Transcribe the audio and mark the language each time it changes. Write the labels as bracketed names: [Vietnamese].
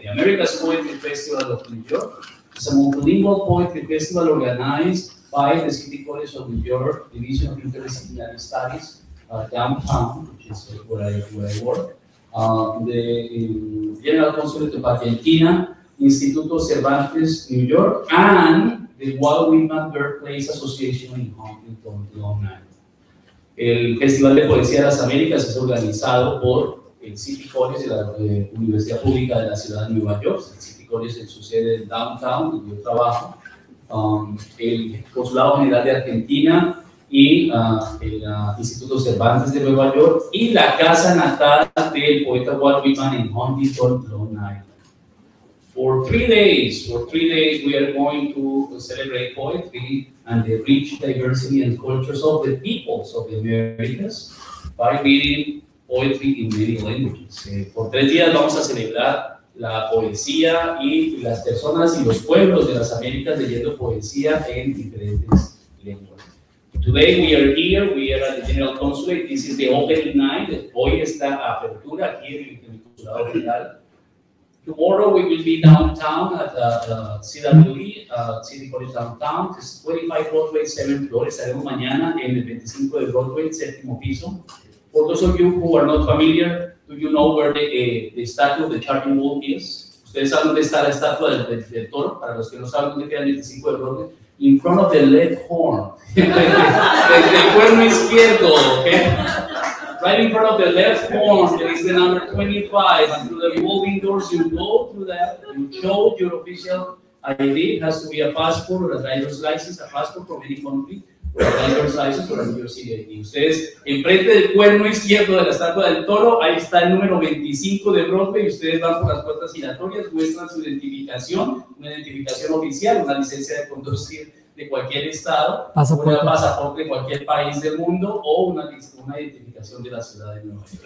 [English] The America's Poetry Festival of New York is a multilingual poetry festival organized by the City College of New York, Division of Interdisciplinary Studies, downtown, which is where I work, the General Consulate of Argentina, Instituto Cervantes, New York, and the Walt Whitman Birthplace Association in Huntington, Long Island. [Spanish] El Festival de Poesía de las Américas es organizado por el City College de la Universidad Pública de la Ciudad de Nueva York. El City College es su sede en Downtown, donde yo trabajo. El Consulado General de Argentina y el Instituto Cervantes de Nueva York y la casa natal del poeta Walt Whitman en Huntington, Long Island. [English] For three days, we are going to celebrate poetry and the rich diversity and cultures of the peoples of the Americas by reading poetry in many languages. [Spanish] Por tres días vamos a celebrar la poesía y las personas y los pueblos de las Américas leyendo poesía en diferentes lenguas. [English] Today we are here, we are at the General Consulate. This is the opening night. [Spanish] Hoy está apertura aquí en el Consulado General. [English] Tomorrow we will be downtown at City College Downtown, 25 Broadway, 7th floor. [Spanish] Estaremos mañana en el 25 de Broadway, 7th piso. [English] For those of you who are not familiar, do you know where the statue of the Charging Wolf is? [Spanish] ¿Ustedes saben dónde está la estatua del toro? Para los que no saben dónde queda el 25 de Broadway, [English] in front of the left horn. [Spanish] El cuerno izquierdo, ¿ok? [English] Right in front of the left horn, there is the number 25, and through the revolving doors, you go through that, you show your official ID, it has to be a passport or a driver's license, a passport from any country, or a driver's license or a New York City ID. [Spanish] Ustedes, enfrente del cuerno izquierdo de la estatua del toro, ahí está el número 25 de Broadway, y ustedes van por las puertas giratorias, muestran su identificación, una identificación oficial, una licencia de conducir de cualquier estado, pasaporte. Un pasaporte de cualquier país del mundo o una identificación de la ciudad de Nueva York.